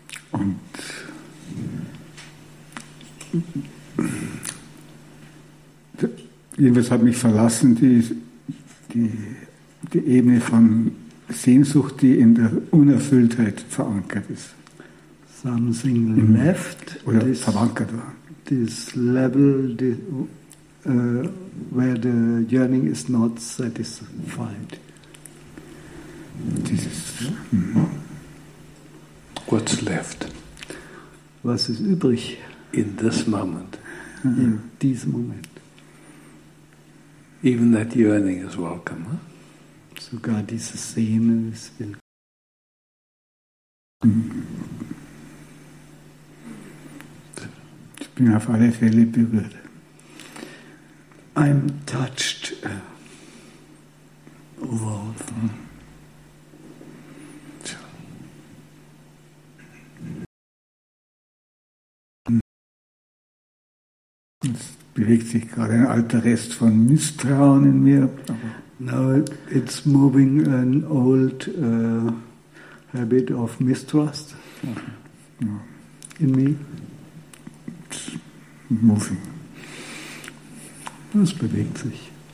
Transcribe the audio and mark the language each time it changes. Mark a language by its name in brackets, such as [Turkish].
[German] Und jedenfalls hat mich verlassen die Ebene von Sehnsucht, die in der Unerfülltheit verankert ist. [English] Something left [German] oder verankert war. [English] This level, where the yearning is not satisfied. This is, What's left? [German] Was ist übrig? [English] In this moment. [German] In diesem Moment. [English] Even that yearning is welcome, huh? [German] Sogar dieses Sehnen ist willkommen. Ich bin auf alle Fälle berührt. [English] I'm touched. Wow. [German] Es bewegt sich gerade ein alter Rest von Misstrauen in mir. [English] Now it's moving an old habit of mistrust in me. Moving. [German] Das bewegt sich.